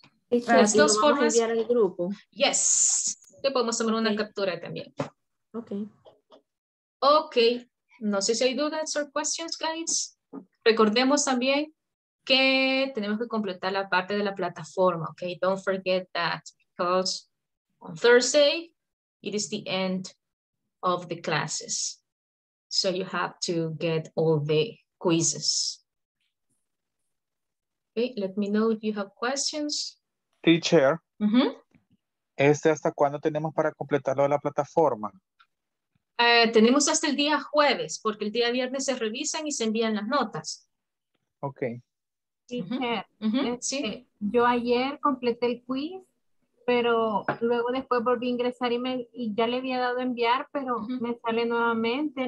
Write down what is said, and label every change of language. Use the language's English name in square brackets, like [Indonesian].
[Spanish] Uh-huh. Las dos formas. ¿Vamos a enviar al grupo? [English] Yes. [Spanish] Te podemos tomar una captura también. [English] Ok. [Spanish] Ok. No sé si hay dudas [English] or questions, guys. [Spanish] Recordemos también que tenemos que completar la parte de la plataforma. [English] Ok. Don't forget that. Because on Thursday, it is the end of the classes. So you have to get all the quizzes. Okay, let me know if you have questions. Teacher, mm-hmm. [Spanish] ¿Hasta cuándo tenemos para completarlo de la plataforma? Tenemos hasta el día jueves, porque el día viernes se revisan y se envían las notas. [English] Ok. [Spanish] Teacher, sí. Yo ayer completé el quiz, pero luego después volví a ingresar y ya le había dado a enviar, pero me sale nuevamente.